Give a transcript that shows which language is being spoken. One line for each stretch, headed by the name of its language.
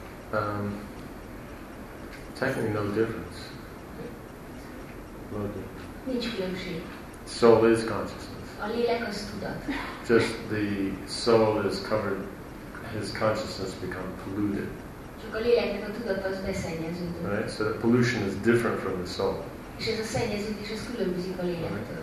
English: Technically no difference.
Hungarian: Nincs különbség.
English: Soul is consciousness.
Hungarian: A lélek az tudat.
English: Just the soul is covered, his consciousness become polluted.
Hungarian: Csak a léleknek a tudata az beszennyeződött.
English: Right? So the pollution is different from the soul.
Hungarian: És ez a szennyeződés, ez különbözik a lélektől.